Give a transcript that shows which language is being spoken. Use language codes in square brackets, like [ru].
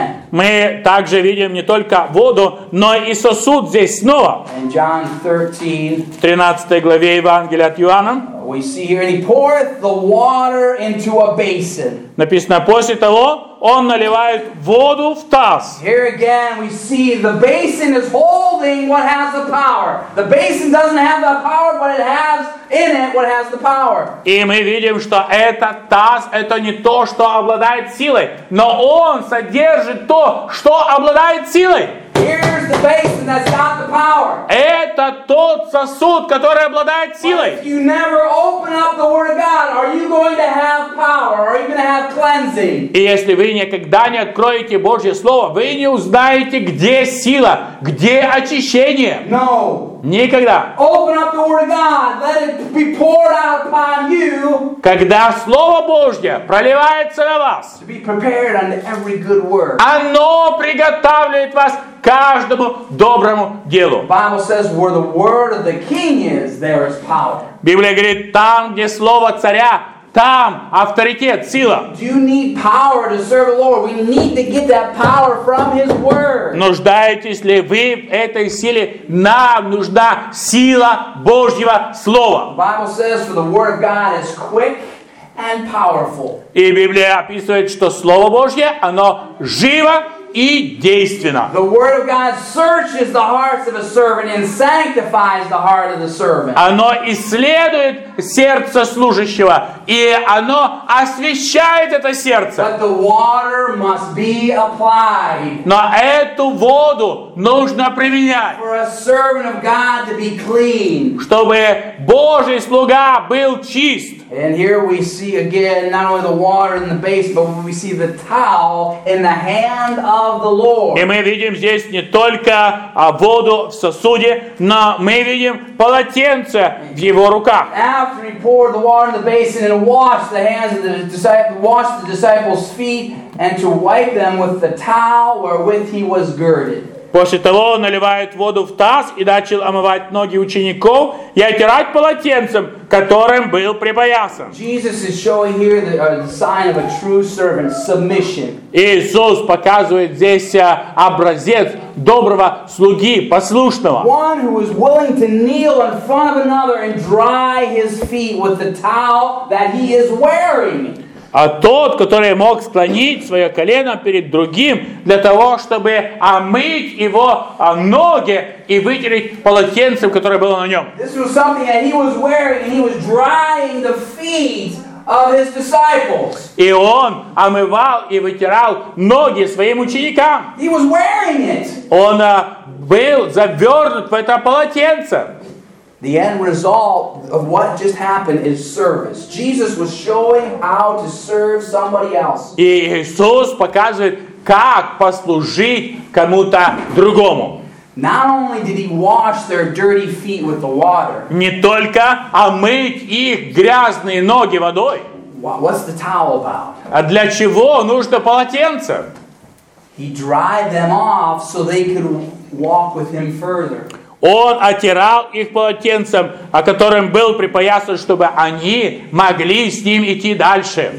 [ru] Мы также видим не только воду, но и сосуд здесь снова. В 13 главе Евангелия от Иоанна [en] we see here, and he poureth the water into a basin. [ru] Написано, после того, он наливает воду в таз. [en] Here again, we see the basin is holding what has the power. The basin doesn't have the power, but it has in it what has the power. [ru] И мы видим, что этот таз, это не то, что обладает силой, но он содержит то, что обладает силой. [en] Here's the basin that's got the power. [ru] Это тот сосуд, который обладает силой. [en] If you never open up the word of God, are you going to have power? Are you going to have cleansing? [ru] И если вы никогда не откроете Божье слово, вы не узнаете, где сила, где очищение. [en] No. [ru] Никогда. [en] Open up the word of God. Let it be poured out upon you. [ru] Когда слово Божье проливается на вас, [en] to be prepared unto every good work. [ru] Оно приготавливает вас каждому доброму делу. [en] Bible says, where the word of the king is, there is power. [ru] Библия говорит, там, где слово царя, там авторитет, сила. [en] Do you need power to serve the Lord? We need to get that power from His Word. [ru] Нуждаетесь ли вы в этой силе? Нам нужна сила Божьего Слова. [en] Bible says, for the Word of God is quick and powerful. [ru] И Библия описывает, что Слово Божье, оно живо и действенно. [en] The Word of God searches the hearts of a servant and sanctifies the heart of the servant. [ru] Оно исследует сердце служащего, и оно освящает это сердце. [en] But the water must be applied. [ru] Но эту воду нужно применять. [en] For a servant of God to be clean. [ru] Чтобы Божий слуга был чист. [en] And here we see again not only the water in the basin, but we see the towel in the hand of the Lord. [ru] И мы видим здесь не только воду в сосуде, но мы видим полотенце в его руках. [en] After he poured the water in the basin and washed the hands of the disciples, washed the disciples' feet, and to wipe them with the towel wherewith he was girded. [ru] После того он наливает воду в таз и начал омывать ноги учеников и отирать полотенцем, которым был припоясан. [en] Jesus is showing here the sign of a true servant, submission. [ru] Иисус показывает здесь образец доброго слуги, послушного. [en] One who is willing to kneel in front of another and dry his feet with the towel that he is wearing. [ru] А тот, который мог склонить свое колено перед другим для того, чтобы омыть его ноги и вытереть полотенцем, которое было на нем. [en] This was something that he was wearing and he was drying the feet of his disciples. [ru] И он омывал и вытирал ноги своим ученикам. [en] He was wearing it. [ru] Он был завернут в это полотенце. [en] The end result of what just happened is service. Jesus was showing how to serve somebody else. [ru] И Иисус показывает, как послужить кому-то другому. [en] Not only did he wash their dirty feet with the water. [ru] Не только омыть их грязные ноги водой. [en] What's the towel about? [ru] А для чего нужно полотенце? [en] He dried them off so they could walk with him further. [ru] Он отирал их полотенцем, о котором был припоясан, чтобы они могли с ним идти дальше.